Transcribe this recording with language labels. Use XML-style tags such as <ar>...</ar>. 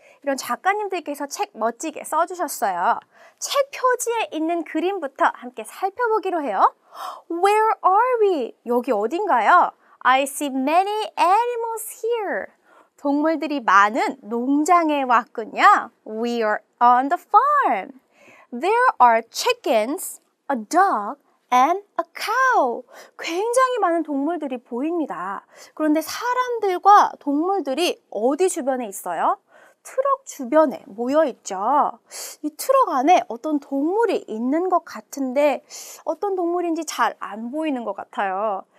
<ko>이런 작가님들께서 책 멋지게 써주셨어요. 책 표지에 있는 그림부터 함께 살펴보기로 해요.</ko> <en>Where are we?</en> <ko>여기 어딘가요?</ko> <en>I see many animals here.</en> <ko>동물들이 많은 농장에 왔군요.</ko> <en>We are on the farm. There are chickens, a dog, and a cow.</en> <ko>굉장히 많은 동물들이 보입니다. 그런데 사람들과 동물들이 어디 주변에 있어요? 트럭 주변에 모여있죠. 이 트럭 안에 어떤 동물이 있는 것 같은데 어떤 동물인지 잘 안 보이는 것 같아요.</ko>